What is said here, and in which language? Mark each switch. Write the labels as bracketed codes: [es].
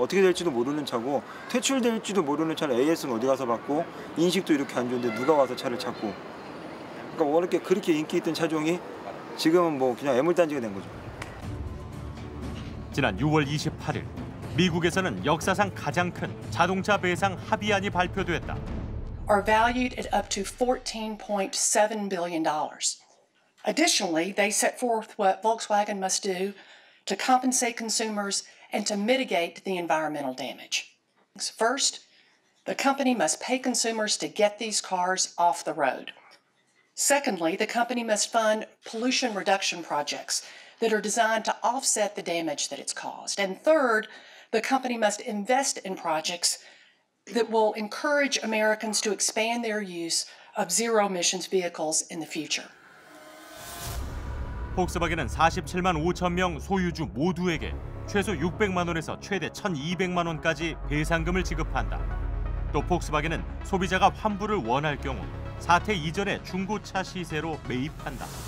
[ko] 어떻게 될지도 모르는 차고 퇴출될지도 모르는 차를 AS는 어디 가서 받고 인식도 이렇게 안 좋은데 누가 와서 차를 찾고. 그러니까 원래 그렇게 인기 있던 차종이 지금은 뭐 그냥 애물단지가 된 거죠. 지난 6월 28일 미국에서는 역사상 가장 큰 자동차 배상 합의안이 발표됐다. [en] Are valued at up to $14.7 billion. Additionally, they set forth what Volkswagen must do to compensate consumers and to mitigate the environmental damage. First, the company must pay consumers to get these cars off the road. Secondly, the company must fund pollution reduction projects that are designed to offset the damage that it's caused. And third, the company must invest in projects that will encourage Americans to expand their use of zero emissions vehicles in the future. [ko] 폭스바겐은 47만 5천 명 소유주 모두에게 최소 600만 원에서 최대 1,200만 원까지 배상금을 지급한다. 또 폭스바겐은 소비자가 환불을 원할 경우 사태 이전에 중고차 시세로 매입한다.